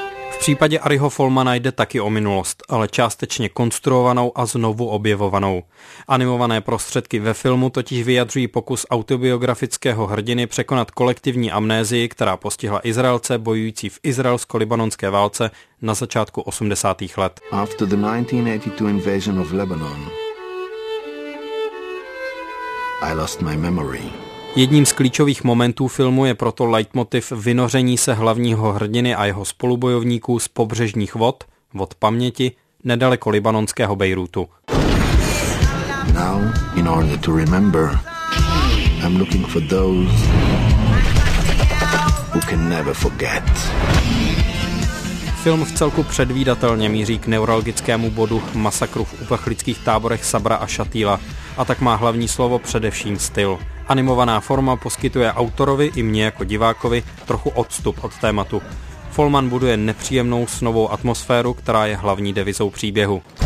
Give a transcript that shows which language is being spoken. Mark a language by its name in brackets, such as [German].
[Czech] V případě Ariho Folmana jde taky o minulost, ale částečně konstruovanou a znovu objevovanou. Animované prostředky ve filmu totiž vyjadřují pokus autobiografického hrdiny překonat kolektivní amnézii, která postihla Izraelce bojující v izraelsko-libanonské válce na začátku 80. let. [English] After the 1982 invasion of Lebanon, I lost my memory. [Czech] Jedním z klíčových momentů filmu je proto leitmotiv vynoření se hlavního hrdiny a jeho spolubojovníků z pobřežních vod, vod paměti, nedaleko libanonského Bejrútu. [English] Now, in order to remember, I'm looking for those who can never forget. [Czech] Film vcelku předvídatelně míří k neuralgickému bodu masakru v uprchlických táborech Sabra a Shatila, a tak má hlavní slovo především styl. Animovaná forma poskytuje autorovi i mně jako divákovi trochu odstup od tématu. Folman buduje nepříjemnou snovou atmosféru, která je hlavní devizou příběhu.